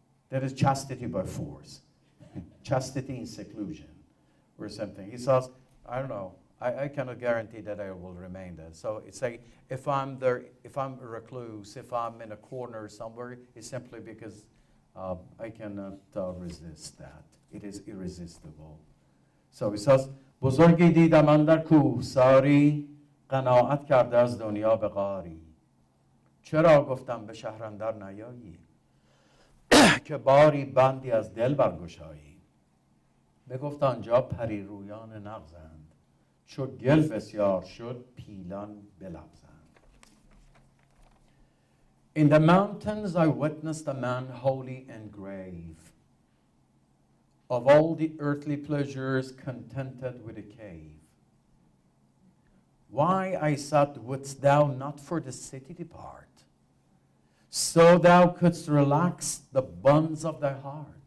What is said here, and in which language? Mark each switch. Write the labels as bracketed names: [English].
[English] That is chastity by force. Chastity in seclusion or something. He says, I don't know. I cannot guarantee that I will remain there. So it's like, if I'm there, if I'm a recluse, if I'm in a corner somewhere, it's simply because I cannot resist that. It is irresistible. So he says, [Persian] بزرگی دیدم اندر کوه ساری قناعت کرده از دنیا به غاری. چرا گفتم به شهر اندر نیایی که باری بندی از دل برگشایی. بگفت آنجا پری رویان نغزند چو گل بسیار شد پیلان بلبزند. [English] In the mountains I witnessed a man holy and grave. Of all the earthly pleasures, contented with a cave. Why, I said, wouldst thou not for the city depart, so thou couldst relax the bonds of thy heart?